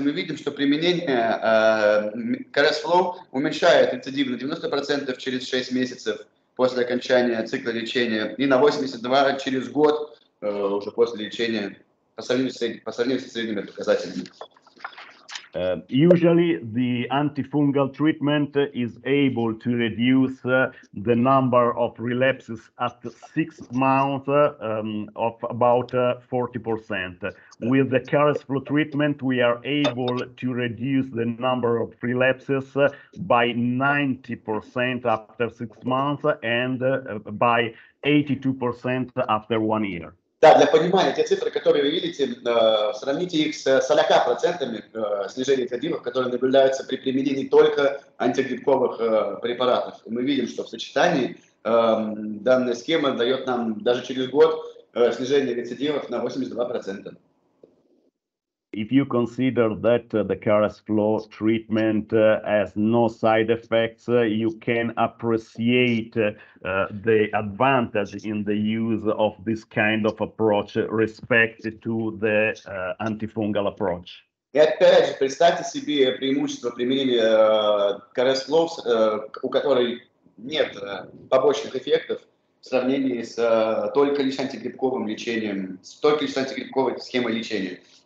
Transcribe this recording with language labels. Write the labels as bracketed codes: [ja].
[ru] Мы видим, что применение CRS Flow уменьшает рецидив на 90% через 6 месяцев после окончания цикла лечения и на 82% через год уже после лечения по сравнению с средними показателями. [en] Usually the antifungal treatment is able to reduce the number of relapses at 6 months of about 40%. With the Carisflu treatment, we are able to reduce the number of relapses by 90% after 6 months and by 82% after 1 year. [ru] Да, для понимания, те цифры, которые вы видите, сравните их с 40% снижения рецидивов, которые наблюдаются при применении только антигрибковых препаратов. И мы видим, что в сочетании данная схема дает нам даже через год снижение рецидивов на 82%. [en] If you consider that the Carisflu treatment has no side effects, you can appreciate the advantage in the use of this kind of approach respect to the antifungal approach. [ru] И опять же, представьте себе преимущество применения Carisflu, у которой нет побочных эффектов, в сравнении с только лишь антигрибковым лечением, с только лишь антигрибковой схемой лечения.